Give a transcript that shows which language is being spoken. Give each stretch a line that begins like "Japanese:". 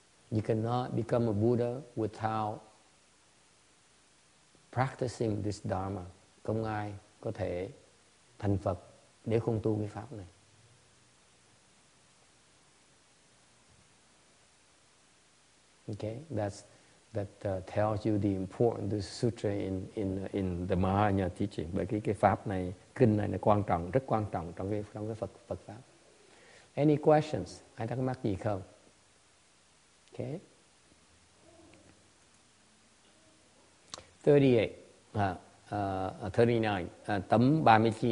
English: You cannot become a Buddha without practicing this Dharma.
Vietnamese: Không ai có thể thành Phật nếu không tu cái pháp này.
English: Okay, that tells you the importance of the sutra in the Mahayana teaching.
Vietnamese: Bởi cái pháp này, kinh này là quan trọng, rất quan trọng trong cái Phật pháp.
English: Any questions?
Vietnamese: Ai thắc mắc gì không? Okay. 39.